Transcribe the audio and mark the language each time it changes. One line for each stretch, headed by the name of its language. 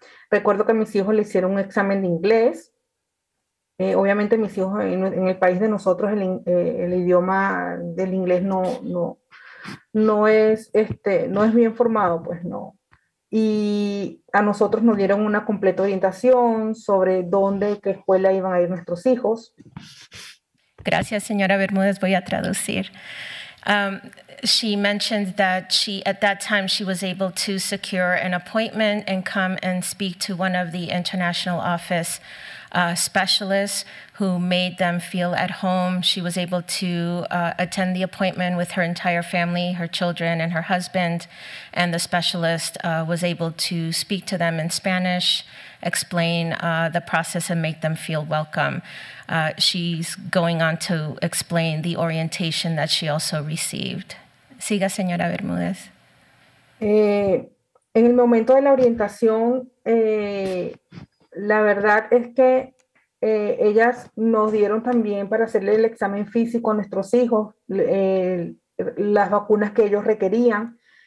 Spanish: Recuerdo que a mis hijos le hicieron un examen de inglés. Obviamente mis hijos en el país de nosotros el idioma del inglés no es bien formado, pues no. Y a nosotros nos dieron una completa orientación sobre dónde, qué escuela iban a ir nuestros hijos. Gracias, señora Bermúdez. Voy a traducir.
English: She mentioned that she, at that time, she was able to secure an appointment and come and speak to one of the international office specialists who made them feel at home. She was able to attend the appointment with her entire family, her children and her husband, and the specialist was able to speak to them in Spanish, explain the process and make them feel welcome. She's going on to explain the orientation that she also received.
Spanish: Siga, señora Bermúdez. En el momento de la orientación, la verdad es que ellas nos dieron también para hacerle el examen físico a nuestros hijos, las vacunas que ellos requerían.